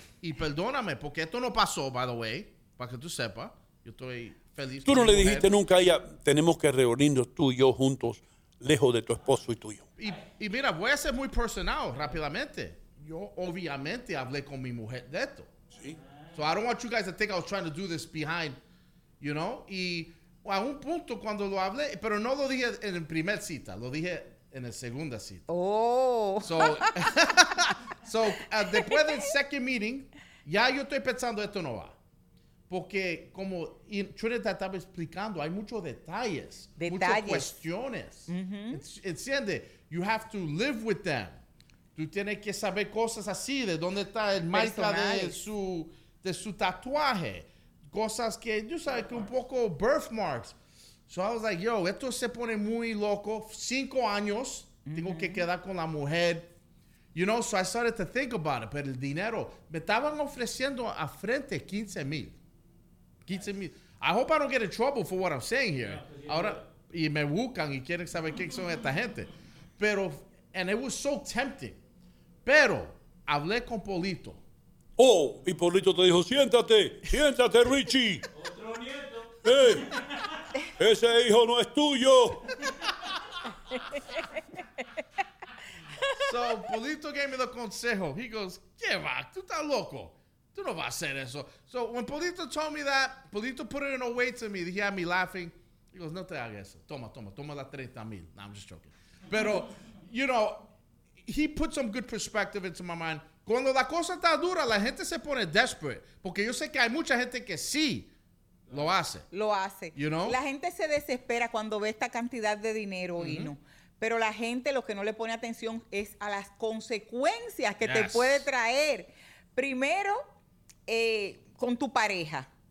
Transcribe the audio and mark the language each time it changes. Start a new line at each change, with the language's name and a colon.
Spanish: Y perdóname, porque esto no pasó,
English: by the way,
Spanish: para que tú sepas. Yo estoy feliz. Tú no le dijiste nunca a ella, tenemos que reunirnos tú y yo juntos, lejos de tu esposo y tuyo. Y mira, voy a ser muy personal rápidamente. Yo obviamente hablé con mi mujer de esto. Sí.
English: So I don't want you guys to think I was trying to do this behind, you know.
Spanish: Y a un punto cuando lo hablé, pero no lo dije en la primera cita, lo dije en la segunda cita. Oh. So, después del
English: second meeting,
Spanish: ya yo estoy pensando esto no va. Porque como Trinidad estaba explicando, hay muchos detalles. Detalles. Muchas cuestiones. Mm-hmm.
English: Enciende. You have to live with them.
Spanish: Tú tienes que saber cosas así, de dónde está el marca de su tatuaje. Cosas que, tú sabes, que un poco birthmarks.
English: So I was like,
Spanish: yo, esto se pone muy loco. 5 años, tengo que quedar con la mujer.
English: You know, so I started to think about it.
Spanish: Pero el dinero, me estaban ofreciendo a frente $15,000.
English: Nice. Me. I hope I don't get in trouble for what I'm saying here. Yeah,
Spanish: ahora, y me buscan y quieren saber qué son esta gente.
English: Pero, and it was so tempting.
Spanish: Pero, hablé con Polito. Oh, y Polito te dijo, siéntate, siéntate, Richie. Otro nieto. Hey, ese hijo no es tuyo.
English: So, Polito gave me the consejo. He goes,
Spanish: ¿qué va? ¿Tú estás loco? ¿Tú no vas a hacer eso?
English: So, when Polito told me that, Polito put it in a way to me. He had me laughing. He goes,
Spanish: no te hagas eso. Toma, toma, toma la 30 mil.
English: No, I'm just joking. Pero, you know, he put some good perspective into my mind.
Spanish: Cuando la cosa está dura, la gente se pone desperate. Porque yo sé que hay mucha gente que sí lo hace. Lo hace.
English: You know?
Spanish: La gente se desespera cuando ve esta cantidad de dinero, mm-hmm. Hino. Pero la gente lo que no le pone atención es a las consecuencias que yes. te puede traer. Primero, con tu pareja.